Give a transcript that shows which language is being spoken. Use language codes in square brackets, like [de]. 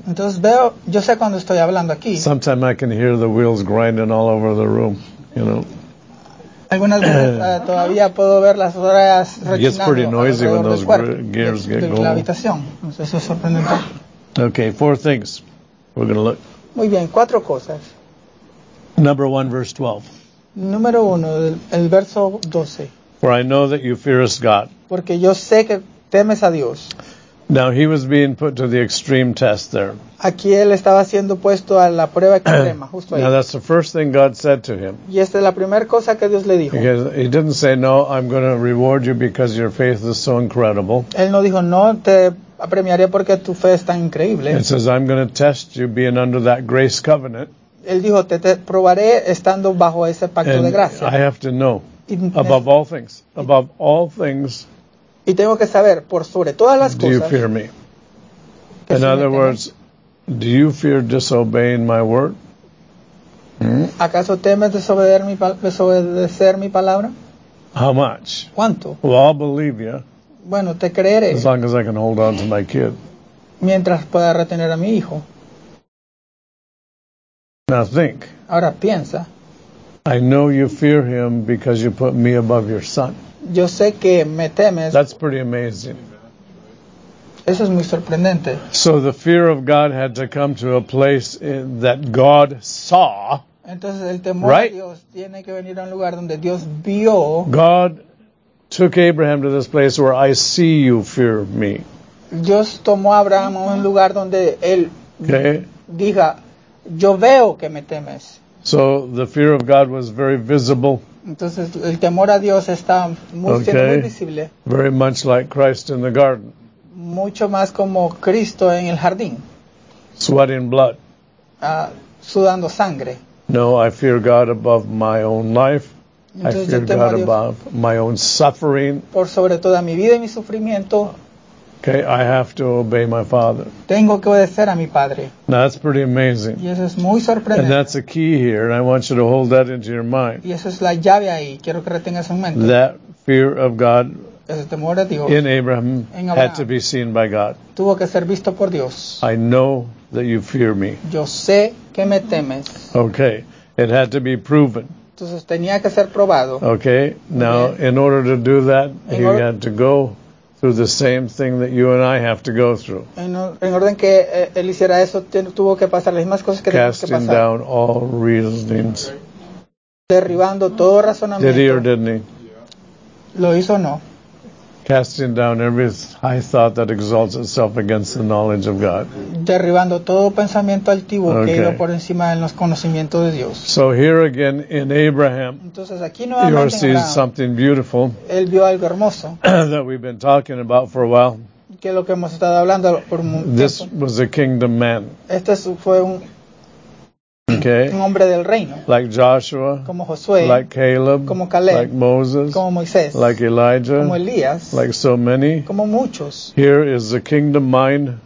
[es] Entonces veo, yo sé cuando estoy hablando aquí. [en] Sometimes I can hear the wheels grinding all over the room, you know. [es] Algunas veces todavía puedo ver las ruedas rechinando. [en] It gets pretty noisy when those gears get going. [es] La habitación. Eso es sorprendente. [en] Okay, four things. We're going to look. [es] Muy bien, cuatro cosas. [en] Number one, verse 12. [es] Número uno, el verso 12. [en] For I know that you fearest God. [es] Porque yo sé que temes a Dios. [en] Now he was being put to the extreme test there. [es] Aquí él estaba siendo puesto a la prueba extrema, justo ahí. [en] Now that's the first thing God said to him. [es] Y esta es la primera cosa que Dios le dijo. [en] Because he didn't say, no, I'm going to reward you because your faith is so incredible. [es] Él no dijo, no, te apremiaré porque tu fe es tan increíble. [en] It says, I'm going to test you being under that grace covenant. [es] Él dijo, te probaré estando bajo ese pacto [en] and [es] de gracia. [en] I have to know, above all things, above all things. [es] Y tengo que saber, por sobre todas las [en] do [es] cosas. [en] Do you fear me? In other words, do you fear disobeying my word? [es] ¿Acaso temes desobedecer mi palabra? [en] How much? [es] ¿Cuánto? [en] Well, I'll believe you. [es] Bueno, te creeré. [en] As long as I can hold on to my kid. [es] Mientras pueda retener a mi hijo. [en] Now think. [es] Ahora piensa. [en] I know you fear him because you put me above your son. [es] Yo sé que me temes. [en] That's pretty amazing. [es] Eso es muy sorprendente. [en] So the fear of God had to come to a place that God saw. [es] Entonces el temor right? de Dios tiene que venir a un lugar donde Dios vio. [en] God took Abraham to this place where I see you fear me. [es] Dios tomó a Abraham a un lugar donde él [en] okay. [es] diga. Yo veo que me temes. [en] So the fear of God was very visible. [es] Entonces el temor a Dios está muy, [en] okay. [es] siendo muy visible. [en] Very much like Christ in the garden. [es] Mucho más como Cristo en el jardín. [en] Sweating blood. [es] Sudando sangre. [en] No, I fear God above my own life. [es] Entonces, [en] I fear God above my own suffering. [es] Por sobre toda mi vida y mi sufrimiento. [en] Okay, I have to obey my father. [es] Tengo que obedecer a mi padre. [en] Now, that's pretty amazing. [es] Y eso es muy sorprendente. [en] And that's a key here, and I want you to hold that into your mind. [es] Y eso es la llave ahí. Quiero que retengas en mente. [en] That fear of God [es] temor a Dios [en] in Abraham, [es] en Abraham [en] had to be seen by God. [es] Tuvo que ser visto por Dios. [en] I know that you fear me. [es] Yo sé que me temes. [en] Okay, it had to be proven. [es] Entonces, tenía que ser probado. [en] Okay, now, okay. in order to do that, he had to go through the same thing that you and I have to go through. [es] En orden que él hiciera eso, tuvo que pasar las mismas cosas que tuvo que pasar. [en] Casting down all reasonings. [es] Derribando todo razonamiento. [en] Did he or didn't he? [es] Lo hizo o no. [en] Casting down every high thought that exalts itself against the knowledge of God. [es] Derribando todo pensamiento altivo okay. que iba por encima de los conocimientos de Dios. [en] So here again in Abraham, [es] entonces aquí nuevamente [en] Abraham sees something beautiful. [es] Él vio algo hermoso. [en] That we've been talking about for a while. [es] Que lo que hemos estado hablando por un tiempo. [en] This was a kingdom man. [es] Este fue un [en] okay. [es] un hombre del reino. [en] Like Joshua. [es] Como Josué. [en] Like Caleb. [es] Como Caleb. [en] Like Moses. [es] Como Moisés. [en] Like Elijah. [es] Como Elías. [en] Like so many. [es] Como muchos. [en] Here is the kingdom mind.